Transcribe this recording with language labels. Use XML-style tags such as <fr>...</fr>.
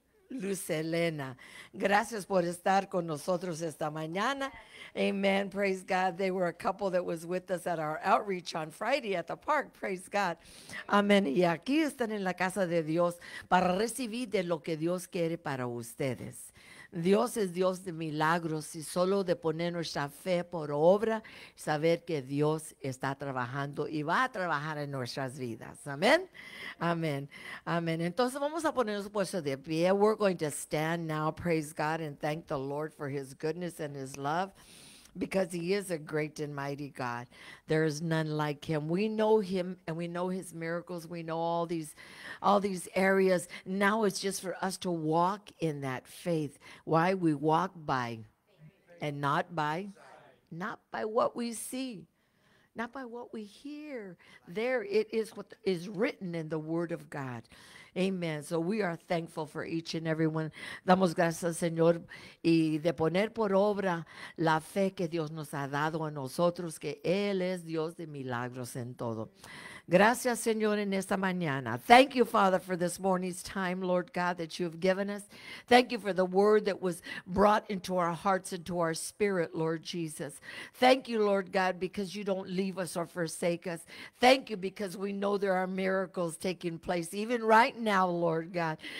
<es>Lucelena, gracias por estar con nosotros esta mañana.</es> <en>Amen. Praise God. They were a couple that was with us at our outreach on Friday at the park. Praise God. Amen.</en> <es>Y aquí están en la casa de Dios para recibir de lo que Dios quiere para ustedes. Dios es Dios de milagros y solo de poner nuestra fe por obra, saber que Dios está trabajando y va a trabajar en nuestras vidas. Amén. Amén. Amén. Entonces vamos a ponernos puestos de pie.</es> <en>We're going to stand now, praise God, and thank the Lord for his goodness and his love, because he is a great and mighty God. There is none like him. We know him and we know his miracles. We know all these areas. Now it's just for us to walk in that faith. Why? We walk by and not by? Not by what we see. Not by what we hear. There it is, what is written in the word of God. Amen. So we are thankful for each and every one.</en> <es>Damos gracias, Señor, y de poner por obra la fe que Dios nos ha dado a nosotros, que Él es Dios de milagros en todo. Gracias, Señor, en esta mañana.</es> <en>Thank you, Father, for this morning's time, Lord God, that you have given us. Thank you for the word that was brought into our hearts, into our spirit, Lord Jesus. Thank you, Lord God, because you don't leave us or forsake us. Thank you because we know there are miracles taking place, even right now, Lord God.</en>